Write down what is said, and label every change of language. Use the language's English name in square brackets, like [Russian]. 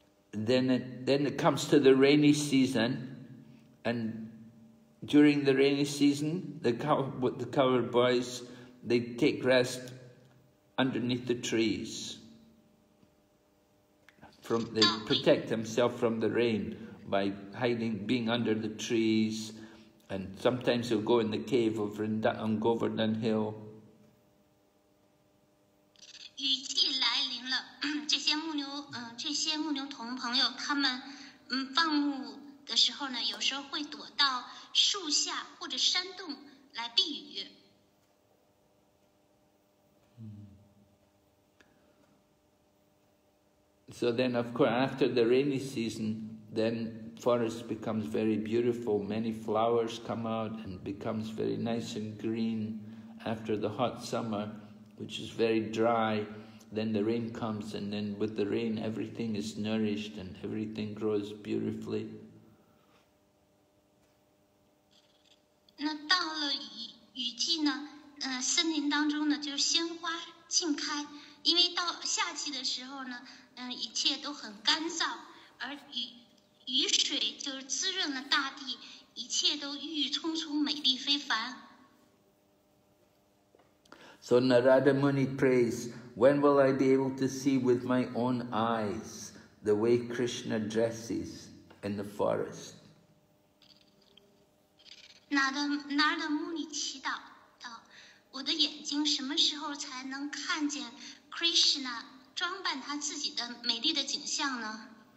[English] Then it comes to the rainy season, and during the rainy season, the cowherd boys, they take rest underneath the trees. They protect themselves from the rain by hiding, being under the trees, and sometimes they'll go in the cave of on Govardhan Hill. [Chinese] 雨季来临了，这些牧牛童朋友，他们放牧的时候呢，有时候会躲到树下或者山洞来避雨。 [English] So then, of course, after the rainy season, then forest becomes very beautiful. Many flowers come out and becomes very nice and green after the hot summer, which is very dry. Then the rain comes, and then with the rain, everything is nourished and everything grows beautifully. [Chinese] 那到了雨季呢，森林当中呢，就是鲜花竞开，因为到夏季的时候呢，一切都很干燥，而雨水就是滋润了大地，一切都郁郁葱葱，美丽非凡。 [English] So Narada Muni prays, when will I be able to see with my own eyes the way Krishna dresses in the forest? [Chinese] Narada Muni 祈祷道，我的眼睛什么时候才能看见 Krishna 装扮他自己的美丽的景象呢？